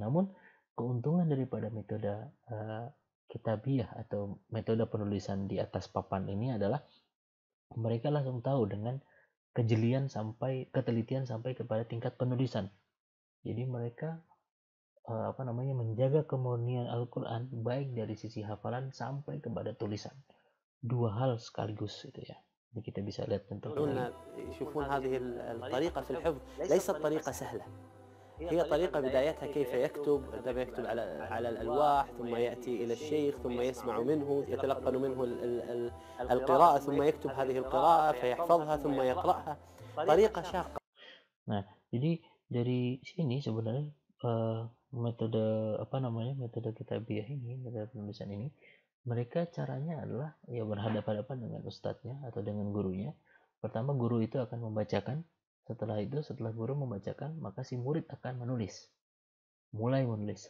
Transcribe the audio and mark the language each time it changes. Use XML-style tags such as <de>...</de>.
<id>Namun, keuntungan daripada metode kitabiah atau metode penulisan di atas papan ini adalah mereka langsung tahu dengan kejelian sampai ketelitian sampai kepada tingkat penulisan. Jadi mereka menjaga kemurnian Al-Quran baik dari sisi hafalan sampai kepada tulisan, dua hal sekaligus itu ya. Jadi kita bisa lihat tentang ini.</id> <ar>يشوفون هذه الطريقة في الحفظ ليست طريقة سهلة، هي طريقة بدايتها كيف يكتب، عندما يكتب على الألواح، ثم يأتي إلى الشيخ، ثم يسمع منه، يتلقن منه القراءة، ثم يكتب هذه القراءة فيحفظها ثم يقرأها، طريقة شاقة.</ar> <id>Nah, jadi dari sini sebenarnya metode kitabiah ini, metode penulisan ini, mereka caranya adalah ya berhadapan-hadapan dengan ustadznya atau dengan gurunya. Pertama guru itu akan membacakan, setelah guru membacakan maka si murid akan menulis, mulai menulis.</id>